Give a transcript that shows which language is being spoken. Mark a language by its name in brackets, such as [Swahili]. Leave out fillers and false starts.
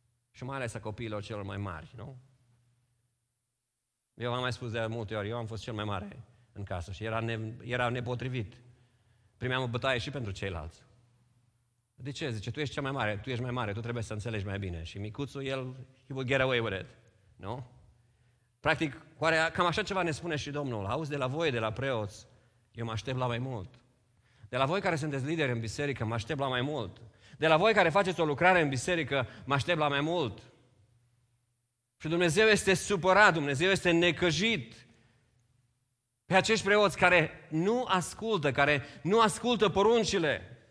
[Romanian] Și mai ales a copiilor celor mai mari, nu? Eu v-am mai spus de multe ori, eu am fost cel mai mare în casă și era nepotrivit. Primeam o bătaie și pentru ceilalți. De ce? Zice, tu ești cea mai mare, tu ești mai mare, tu trebuie să înțelegi mai bine. Și micuțul, el, [English] he will get away with it. [Romanian] Nu? Practic, oare, cam așa ceva ne spune și Domnul. Auzi, de la voi, de la preoți, eu mă aștept la mai mult. De la voi care sunteți lideri în biserică, mă aștept la mai mult. De la voi care faceți o lucrare în biserică, mă aștept la mai mult. Și Dumnezeu este supărat, Dumnezeu este necăjit. Pe acești preoți care nu ascultă, care nu ascultă poruncile.